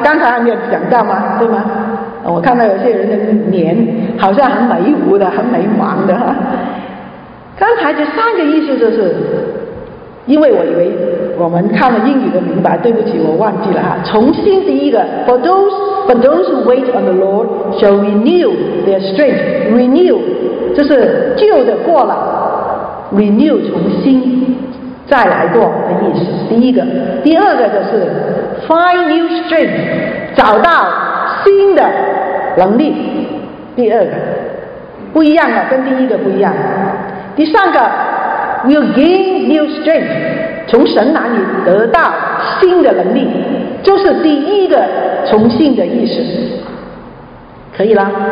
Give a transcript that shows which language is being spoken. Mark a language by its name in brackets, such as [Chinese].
[Chinese] 刚才还没有讲到吗？对吗？我看到有些人的脸好像很美无的，很美忙的。刚才这三个意思就是，因为我以为我们看了英语的明白，对不起，我忘记了哈。重新第一个 [English] ，For those who wait on the Lord shall renew their strength. [Chinese] Renew， 就是旧的过了 ，renew 重新再来过的意思。第一个，第二个就是 [English] find new strength， [Chinese] 找到新的能力。第二个不一样了，跟第一个不一样。第三个 [English] ，will gain new strength。 [Chinese] 从神那里得到新的能力，就是第一个重新的意思，可以了。